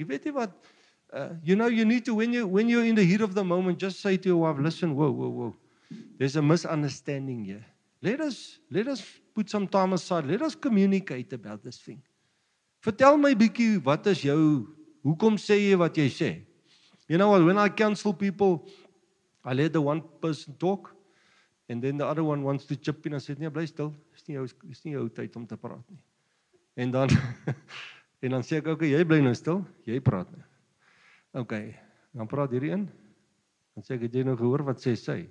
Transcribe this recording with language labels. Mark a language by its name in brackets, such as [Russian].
[Afrikaans] Jy weet nie wat, [English] you know, you need to, when you're in the heat of the moment, just say to your wife, listen, whoa, there's a misunderstanding here. Let us put some time aside, let us communicate about this thing. [Afrikaans] Vertel my bietjie, wat is jou, hoekom sê jy wat jy sê? [English] You know what, when I counsel people, I let the one person talk, and then the other one wants to chip in, and say, [Afrikaans] nee, bly stil, is nie jou tyd om te praat nie. En dan sê ek, okay, jy bly nou stil, jy praat nie. Okay, dan praat hierdie een, dan sê ek, het jy nou gehoor wat sê sy?